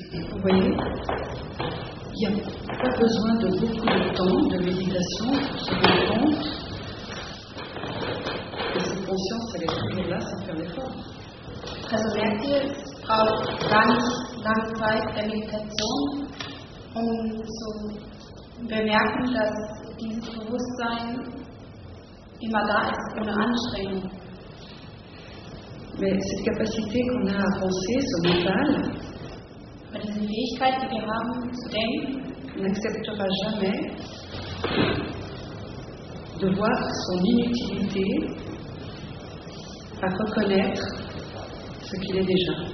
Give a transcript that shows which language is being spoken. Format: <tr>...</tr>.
<fr>Vous voyez, il n'y a pas besoin de beaucoup de temps de méditation pour se rendre compte que cette conscience elle est toujours là sans faire d'effort.</fr> <de>Also merkt ihr, es braucht ganz lange Zeit der Meditation, um zu bemerken, dass dieses Bewusstsein immer da ist, ohne Anstrengung.</de> <fr>Mais cette capacité qu'on a à penser, ce mental, mais</fr> <de>diese Fähigkeit, die wir haben, zu denken,</de> <fr>n'acceptera jamais de voir son inutilité à reconnaître ce qu'il est déjà.</fr>